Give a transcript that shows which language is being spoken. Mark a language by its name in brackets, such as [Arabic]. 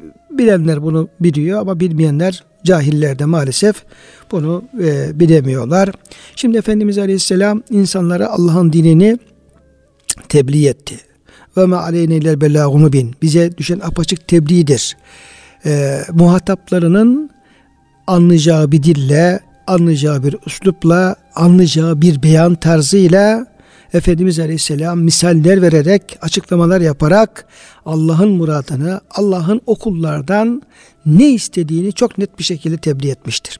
[Turkish] Bilenler bunu biliyor ama bilmeyenler, cahiller de maalesef bunu bilemiyorlar. Şimdi Efendimiz Aleyhisselam insanlara Allah'ın dinini tebliğ etti. [Arabic] وَمَا عَلَيْنَا اِلَّا الْبَلَاغُ مُبِينٌ, [Turkish] bize düşen apaçık tebliğdir. Muhataplarının anlayacağı bir dille, anlayacağı bir üslupla, anlayacağı bir beyan tarzıyla Efendimiz Aleyhisselam misaller vererek, açıklamalar yaparak Allah'ın muradını, Allah'ın o kullardan ne istediğini çok net bir şekilde tebliğ etmiştir.